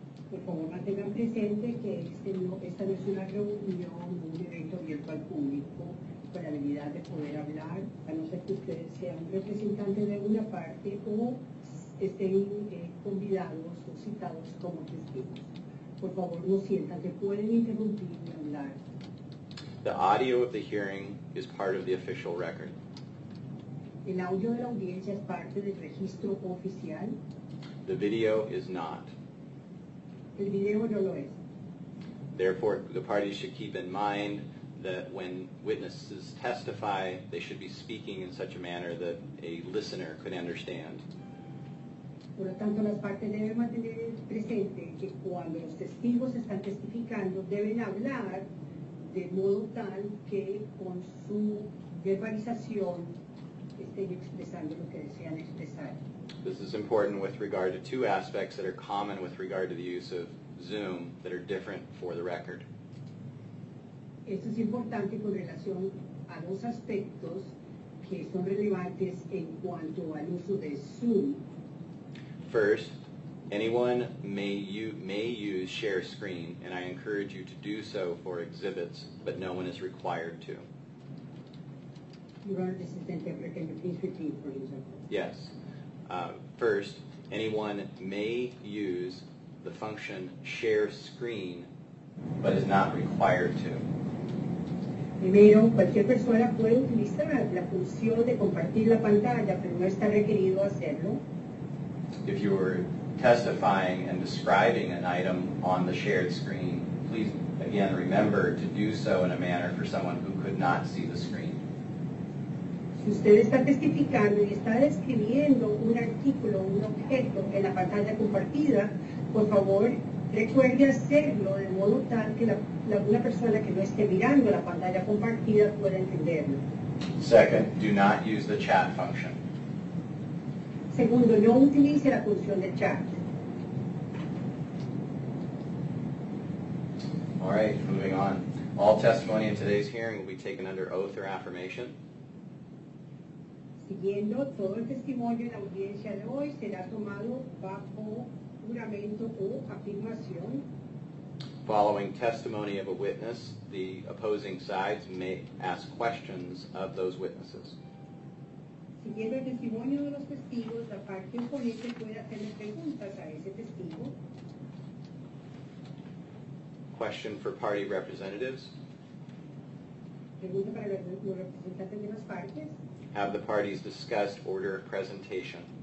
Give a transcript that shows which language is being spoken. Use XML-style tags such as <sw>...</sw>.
<es>Por favor, mantenga presente que esta no es una reunión, un evento abierto al público, con la habilidad de poder hablar, a no ser que ustedes sean representantes de una parte o estén convidados o citados como testigos. Por favor, no sientan que pueden interrumpir y hablar.</es> <en>The audio of the hearing is part of the official record.</en> <es>El audio de la audiencia es parte del registro oficial.</es> <en>The video is not.</en> <es>El video no lo es.</es> <en>Therefore, the parties should keep in mind that when witnesses testify, they should be speaking in such a manner that a listener could understand.</en> <es>Por lo tanto, las partes deben mantener presente que cuando los testigos están testificando, deben hablar de modo tal que con su verbalización estén expresando lo que desean expresar.</es> <en>This is important with regard to two aspects that are common with regard to the use of Zoom that are different for the record.</en> <es>Esto es importante con relación a dos aspectos que son relevantes en cuanto al uso de Zoom.</es> <en>First, anyone may use share screen, and I encourage you to do so for exhibits, but no one is required to. Your Honor, this is the interpreter. Can you please repeat for me, sir? Yes. First, anyone may use the function share screen, but is not required to.</en> <es>Primero, cualquier persona puede utilizar la función de compartir la pantalla, pero no está requerido hacerlo.</es> <en>If you were testifying and describing an item on the shared screen, please, again, remember to do so in a manner for someone who could not see the screen.</en> <es>Si usted está testificando y está describiendo un artículo, un objeto en la pantalla compartida, por favor, recuerde hacerlo de modo tal que una persona que no esté mirando la pantalla compartida pueda entenderlo.</es> <en>Second, do not use the chat function.</en> <es>Segundo, no utilice la función de chat.</es> <en>All right, moving on. All testimony in today's hearing will be taken under oath or affirmation.</en> <es>Siguiendo todo el testimonio en la audiencia de hoy, será tomado bajo juramento o afirmación.</es> <en>Following testimony of a witness, the opposing sides may ask questions of those witnesses.</en> <es>Siguiendo el testimonio de los testigos, la parte oponente puede hacerle preguntas a ese testigo.</es> <en>Question for party representatives.</en> <es>Pregunta para los representantes de las partes.</es> <en>Have the parties discussed order of presentation?</en>